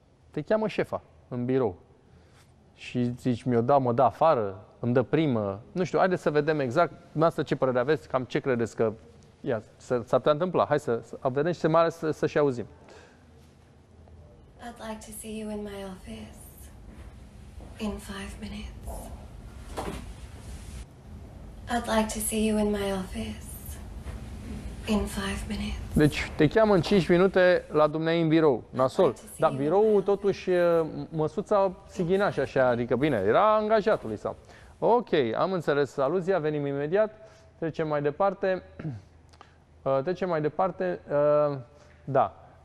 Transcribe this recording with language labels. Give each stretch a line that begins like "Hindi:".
Romanian: Te cheamă șefa în birou și zici, mi-o da, mă da afară, îmi dă primă. Nu știu, haideți să vedem exact dumneavoastră ce părere aveți, cam ce credeți că s-ar putea întâmpla. Hai să vedem și mai ales să și auzim.
English: I'd like to see you in my office in 5 minutes. I'd like to see you in my office in 5 minutes.
Romanian: Deci te cheamă în 5 minute la dumneai în birou, nasol. Dar biroul totuși măsuța Sighinaș așa, adică bine, era angajatul lui sau. Ok, am înțeles aluzia, venim imediat, trecem mai departe. Trecem mai departe. Da.